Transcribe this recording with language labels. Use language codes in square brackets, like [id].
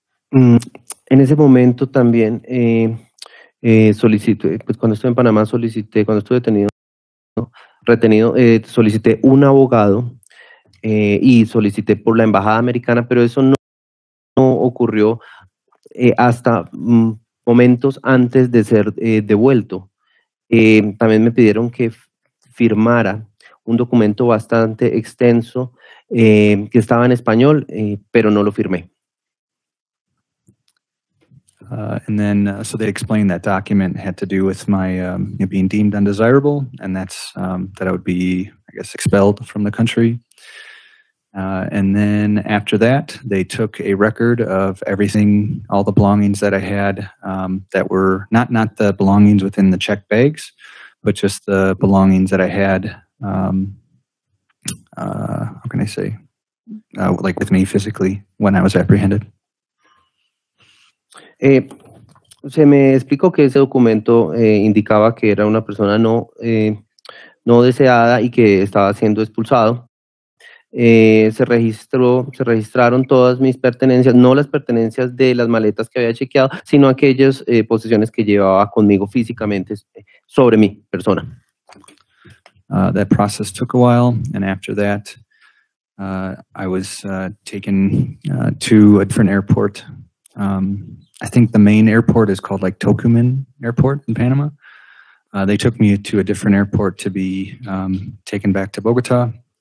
[es] En ese momento también solicité, pues cuando estuve en Panamá solicité, cuando estuve retenido, solicité un abogado y solicité por la embajada americana, pero eso no ocurrió hasta momentos antes de ser devuelto. También me pidieron que firmara un documento bastante extenso que estaba en español, pero no lo firmé. [en] And then, so they explained that document had to do with my being deemed undesirable, and that's that I would be, I guess, expelled from the country. And then after that, they took a record of everything, all the belongings that I had that were not the belongings within the checked bags, but just the belongings that I had how can I say, like with me physically when I was apprehended. [es] Se me explicó que ese documento indicaba que era una persona no deseada y que estaba siendo expulsado. Se registraron todas mis pertenencias, no las pertenencias de las maletas que había chequeado, sino aquellas posesiones que llevaba conmigo físicamente sobre mi persona. [en] That process took a while, and after that, I was taken to a different airport. I think the main airport is called like Tocumen Airport in Panama. They took me to a different airport to be taken back to Bogota.